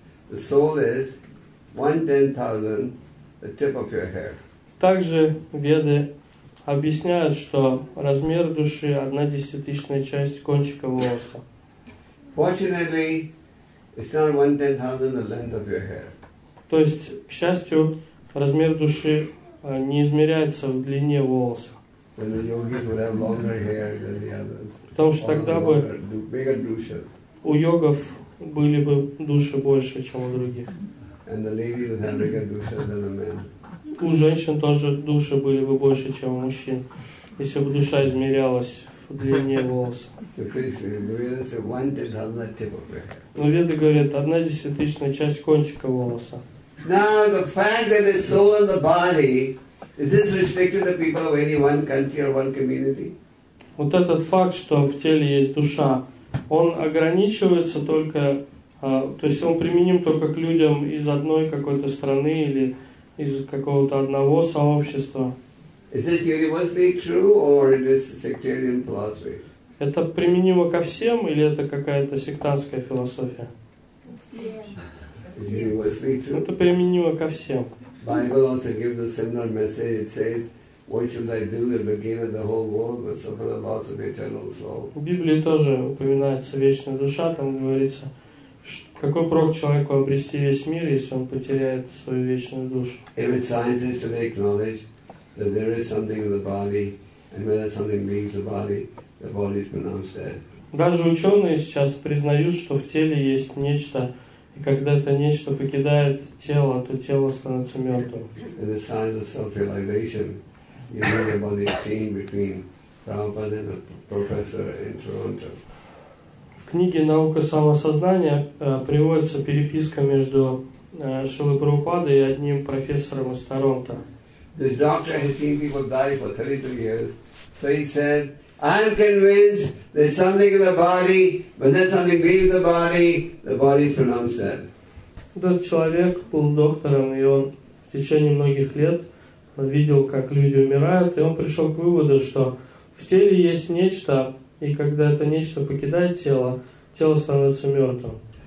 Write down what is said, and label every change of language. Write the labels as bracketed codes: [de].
[en] The soul is 1/10,000, the tip of your hair. [ru] Также веды объясняют, что размер души 1/10,000 часть кончика волоса. [en] Fortunately, it's not 1/10,000 the length of your hair. [ru] То есть, к счастью, размер души не измеряется в длине волоса. [en] Then the yogis would have longer hair than the others. [ru] Потому что тогда бы у йогов были бы души больше, чем у других. [en] And the lady would have bigger dushes than the men. [ru] У женщин тоже души были бы больше, чем у мужчин, если бы душа измерялась в длине волос. Но веды говорят, 1/10,000 часть кончика волоса. [en] Now the fact that the soul and the body, is this restricted to people of any one country or one community? [ru] Вот этот факт, что в теле есть душа, он ограничивается только, то есть он применим только к людям из одной какой-то страны или из какого-то одного сообщества. [en] Is this universally true or is this sectarian philosophy? [ru] Это применимо ко всем или это какая-то сектантская философия? [en] Is universally true? [ru] Это применимо ко всем. [en] Bible also gives a similar message. It says, what should I do if I gain the whole world but suffer the loss of eternal soul? [ru] В Библии тоже упоминается вечная душа, там говорится, какой прок человеку обрести весь мир, если он потеряет свою вечную душу. [en] Every scientist should acknowledge that there is something in the body, and when that something leaves the body is pronounced dead. [ru] Даже ученые сейчас признают, что в теле есть нечто, и когда это нечто покидает тело, то тело становится мертвым. [en] In the signs of self-realization. You know about the exchange between Prabhupada and a professor in Toronto. [ru] В книге «Наука самосознания» приводится переписка между Шрилой Прабхупадой и одним профессором из Торонто. [en] This doctor has seen people die for 32 years, so he said, "I'm convinced there's something in the body, but then something leaves the body is pronounced dead." [ru] Этот человек был доктором, и он в течение многих лет видел, как люди умирают, и он пришел к выводу, что в теле есть нечто, и когда это нечто покидает тело, тело становится мертвым.